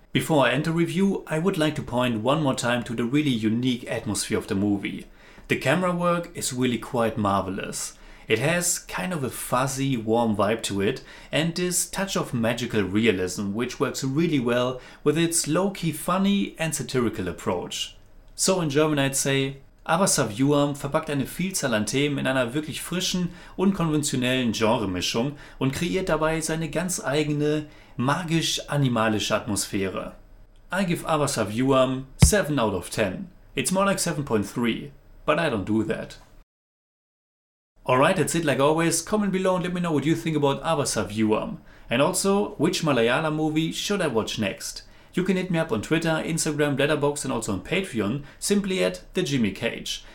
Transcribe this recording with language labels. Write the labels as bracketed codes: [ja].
[en] Before I end the review, I would like to point one more time to the really unique atmosphere of the movie. The camera work is really quite marvelous. It has kind of a fuzzy, warm vibe to it and this touch of magical realism which works really well with its low-key funny and satirical approach. So in German I'd say, [de] Aavasavyuham verpackt eine Vielzahl an Themen in einer wirklich frischen, unkonventionellen Genremischung und kreiert dabei seine ganz eigene, magisch-animalische Atmosphäre. [en] I give Aavasavyuham 7 out of 10. It's more like 7.3, but I don't do that. Alright, that's it like always. Comment below and let me know what you think about Aavasavyuham. And also, which Malayalam movie should I watch next? You can hit me up on Twitter, Instagram, Letterboxd and also on Patreon, simply at The Jimmy Cage.